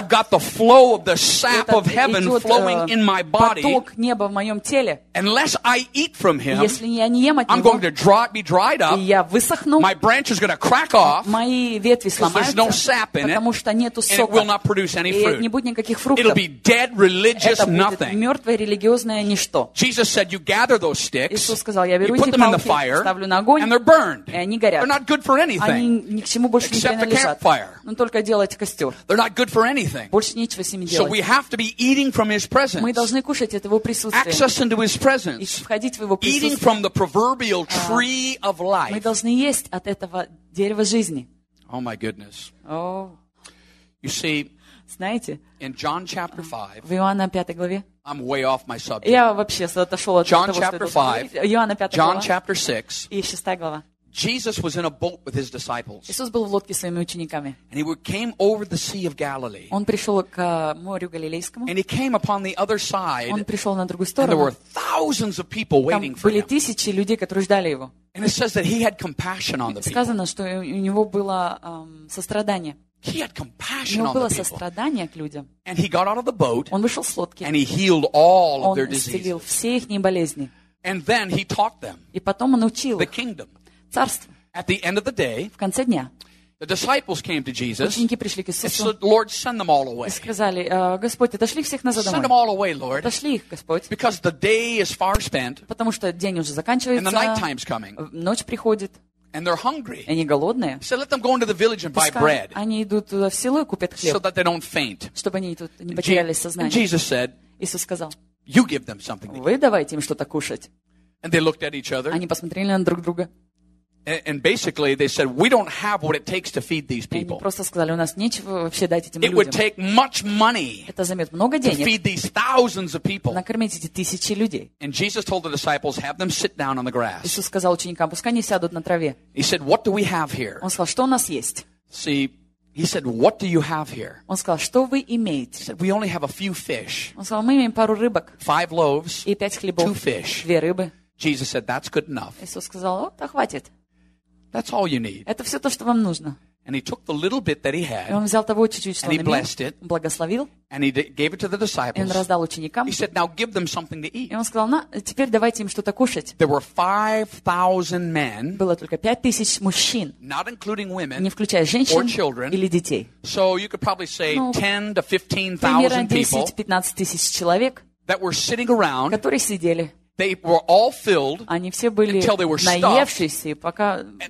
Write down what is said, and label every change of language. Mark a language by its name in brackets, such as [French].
[English] I've got the flow of the sap of heaven flowing in my body, [Russian] поток неба в моем теле, [English] unless I eat from him, [Russian] если я не ем от [English] I'm [Russian] него, [English] going to dry, be dried up, [Russian] и я высохну, [English] my branch is going to crack off, [Russian] мои ветви сломаются, [English] no sap in [Russian] потому что нету сока, [English] and it will not produce any fruit. [Russian] И не будет никаких фруктов. [English] It'll be dead religious [Russian] это будет [English] nothing. [Russian] Мертвое религиозное ничто. [English] Jesus said, you gather those sticks, [Russian] Иисус сказал, я беру [English] you put [Russian] эти [English] them [Russian] палки, [English] in the fire, [Russian] ставлю на огонь, [English] and they're burned. [Russian] И они горят. [English] They're not good for anything, [Russian] они ни к чему больше [English] except [Russian] не принадлежат. [English] The campfire. [Russian] Но только делать костер. [English] They're not good for anything. [Russian] Больше нечего с ними делать. [English] So we have to be eating from his presence. [Russian] Мы должны кушать от его присутствия. [English] Access into his presence. [Russian] И входить в его присутствие. [English] Eating from the proverbial tree of life. [Russian] Мы должны есть от этого дерева жизни. [English] Oh my goodness. Oh. You see, [Russian] знаете, [English] in John chapter 5, [Russian] в Иоанна 5 главе, [English] I'm way off my subject. [Russian] Я вообще отошел от [English] John [Russian] того, [English] chapter 5, [Russian] что это... Иоанна 5 [English] John [Russian] глава, [English] chapter 6, [Russian] и 6 глава. [English] Jesus was in a boat with his disciples. [Russian] Иисус был в лодке со своими учениками. [English] And he came over the Sea of Galilee. [Russian] Он пришел к морю Галилейскому. [English] And he came upon the other side. [Russian] Он пришел на другую сторону. [English] And there were thousands of people waiting for him. [Russian] Там были тысячи людей, которые ждали его. [English] And it says that he had compassion on the people. [Russian] Сказано, что у него было сострадание. [English] He had compassion [Russian] у него [English] on [Russian] было [English] the people. [Russian] Сострадание к людям. [English] And he got out of the boat. [Russian] Он вышел с лодки. [English] And he healed all of their diseases. [Russian] Он исцелил все их болезни. [English] And then he taught them. [Russian] И потом он учил [English] the kingdom. [Russian] Царство. [English] At the end of the day, [Russian] в конце дня, [English] the disciples came to Jesus. [Russian] Ученики пришли к Иисусу. [English] And said, "Lord, send them all away." [Russian] И сказали, Господь, отошли всех назад домой. [English] Send them all away, Lord. [Russian] Отошли их, Господь. [English] Because the day is far spent. [Russian] Потому что день уже заканчивается. [English] And the night time's coming. [Russian] Ночь приходит. [English] And they're hungry. [Russian] Они голодные. [English] So let them go into the village and buy bread. [Russian] Они идут туда в село и купят хлеб. [English] So that they don't faint. [Russian] Чтобы они тут не потеряли сознание. [English] And Jesus said, [Russian] Иисус сказал, [English] "You give them something." [Russian] Вы давайте им что-то кушать. [English] And they looked at each other. [Russian] Они посмотрели на друг друга. [English] And basically they said, we don't have what it takes to feed these people. [Russian] Просто сказали, у нас нечего вообще дать этим людям. [English] It would take much money. [Russian] Это займёт много денег. [English] To feed these thousands of people. [Russian] Накормить эти тысячи людей. [English] And Jesus told the disciples, have them sit down on the grass. [Russian] Иисус сказал ученикам, пускай они сядут на траве. [English] He said, what do we have here? [Russian] Он сказал, что у нас есть? [English] See, he said, what do you have here? [Russian] Он сказал, что вы имеете? [English] He said, we only have a few fish. [Russian] Он сказал, мы имеем пару рыбок. [English] Five loaves. [Russian] И пять хлебов. [English] Two fish. [Russian] Две рыбы. [English] Jesus said, that's good enough. [Russian] Иисус сказал, о, так хватит. [English] That's all you need. [Russian] Это всё то, что вам нужно. [English] And he took the little bit that he had. [Russian] И он взял того чуть-чуть, что он имел. [English] And he blessed it. [Russian] Благословил. [English] And he gave it to the disciples. [Russian] И он раздал ученикам. [English] He said, "Now give them something to eat." [Russian] И он сказал: "На, теперь давайте им что-то кушать." [English] There were 5,000 men. [Russian] Было только 5,000 мужчин. [English] Not including women. [Russian] Не включая женщин. [English] Or children. [Russian] Или детей. [English] So you could probably say 10 to 15,000 people. [Russian] Примерно 10-15,000 человек. [English] That were sitting around. [Russian] Которые сидели. [English] They were all filled. [Russian] Они все были наевшиеся, пока.